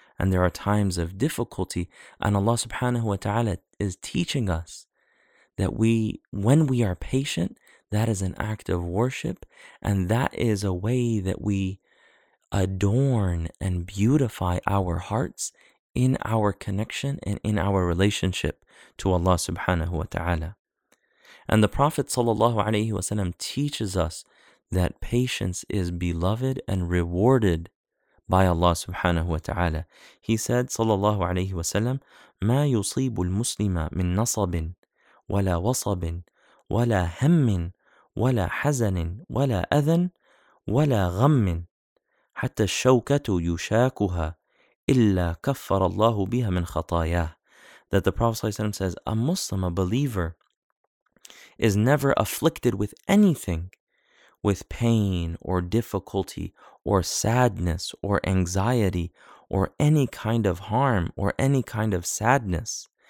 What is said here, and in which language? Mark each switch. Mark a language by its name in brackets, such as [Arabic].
[English] And there are times of difficulty, and Allah subhanahu wa ta'ala is teaching us that we, when we are patient, that is an act of worship, and that is a way that we adorn and beautify our hearts in our connection and in our relationship to Allah subhanahu wa ta'ala. And the Prophet sallallahu alayhi wa sallam teaches us that patience is beloved and rewarded by Allah subhanahu wa ta'ala. He said, [Arabic] sallallahu alayhi wa sallam, مَا يُصِيبُ الْمُسْلِمَ مِنْ نَصَبٍ وَلَا وَصَبٍ وَلَا هَمٍ ولا حزن ولا أذى ولا غم حتى الشوكة يشاكها إلا كفر الله بها من خطاياه. [English] That the Prophet ﷺ says, a Muslim, a believer, is never afflicted with anything, with pain or difficulty or sadness or anxiety or any kind of harm or any kind of sadness.